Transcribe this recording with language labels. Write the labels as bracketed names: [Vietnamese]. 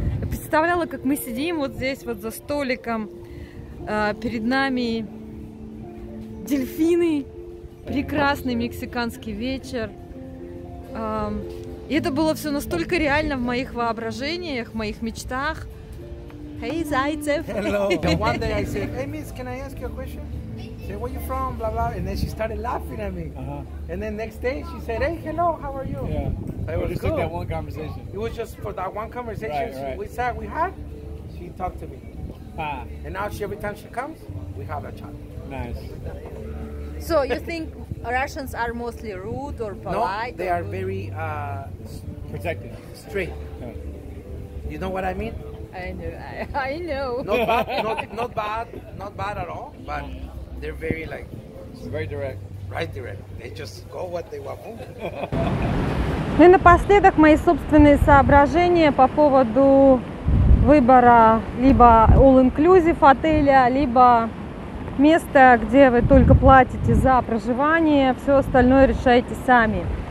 [Russian] Я представляла, как мы сидим вот здесь вот за столиком, перед нами дельфины, прекрасный мексиканский вечер. И это было все настолько реально в моих воображениях, в моих мечтах. [English] Hey, Zaitsev! Hello! One day I said, hey, miss, can I ask you a question? Say, where are you from? Blah, blah. And then she started laughing at me. Uh-huh. And then next day she said, hey, hello, how are you? Yeah. It was just cool. Like that one conversation. It was just for that one conversation we had, she talked to me. Ah. And now she, every time she comes, we have a chat. Nice. So you think Russians are mostly rude or polite? No, they are very protective, straight. Yeah. You know what I mean? I know. Not bad at all. But they're very like. Very direct. Right, direct. They just go what they want. [Russian] Ну и напоследок мои собственные соображения по поводу выбора либо all-inclusive отеля, либо место, где вы только платите за проживание, все остальное решайте сами.